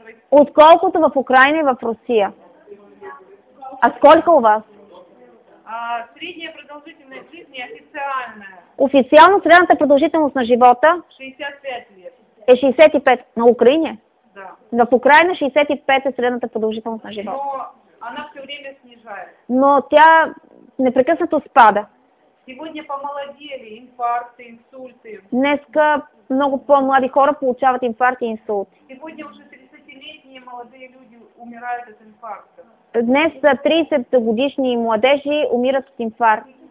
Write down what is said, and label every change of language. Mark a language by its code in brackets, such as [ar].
[bg] Отколкото в Украина и в Русия. [ru] А сколько у вас? Средняя продължительность жизни официальная. [bg] Официално средната продължителност на живота [ru] 65 лет. Е 65 на Украине? Да. [bg] В Украине 65 е средната продължителност на живота. [ru] Но она все время снижается. [bg] Но тя непрекъснато спада. [ru] Сегодня помолодели, инфаркты, инсульты. [bg] Днеска много по-млади хора получават инфаркти и инсулти. [ru] Сегодня уже 30-летние молодые люди умирают от инфаркта. [bg] Днес 30-годишни младежи умират от инфаркт.